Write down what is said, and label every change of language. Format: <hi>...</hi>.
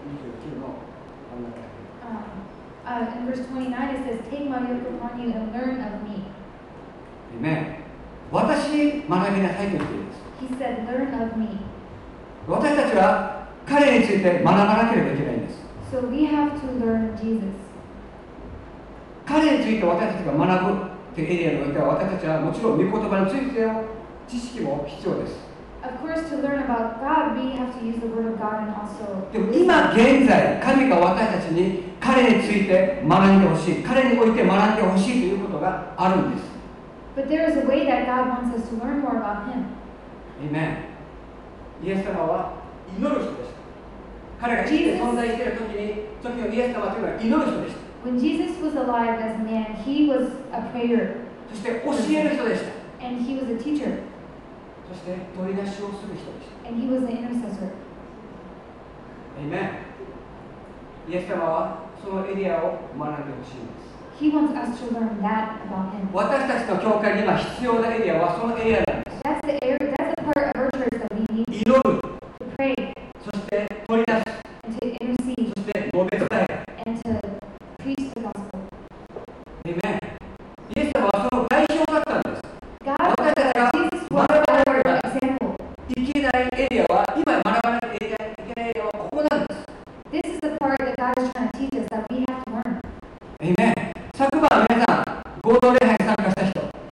<en>In verse 29 it says, Take my yoke upon you and learn of me. Amen.</en> <ja>私に学びなさいと言っています。</ja> <en>He said, Learn of me.</en> <ja>私たちは彼について学ばなければいけないんです。</ja> <en>So、we have to learn Jesus.</en> <ja>彼について私たちが学ぶというエリアにおいては、私たちはもちろん御言葉についての知識も必要です。でも今現在、神が私たちに彼について学んでほしい、彼において学んでほしいということがあるんです。</ja> <en>But there is a way that God wants us to learn more about Him. Amen.</en> <ja>イエス様は祈る人でした。彼が生きて存在している時のイエス様というのは祈る人でした。</ja> <en>When Jesus was alive as a man, He was a prayer.</en> <ja>そして教える人でした。</ja> <en>And He was a teacher.</en> <ja>そして取り出しをする人でした。</ja> <en>And He was an intercessor. Amen.</en> <ja>イエス様はそのエリアを学んでほしいんです。</ja> <en>He wants us to learn that about him.</en> <ja>私たちの教会に今必要なエリアはそのエリアなんです。</ja> <en>That's the area, that's the part of our church that we need.</en> <ja>祈る。</ja> <en>To pray.</en> <ja>そして取り出す。</ja> <en>And to intercede.</en> <ja>そして述べ伝える。</ja> <en>And to preach the gospel. Amen.</en> <ja>イエス様はその代表だったんです。</ja> <en>God was the example.</en> <ja>私たちが学ばないといけないエリアは今学ばないといけないエリアはここなんです。</ja> <en>This is the part that God is trying to teach us that we have to learn. Amen.</en> <ja>昨晩皆さん合同礼拝に参加した人。</ja>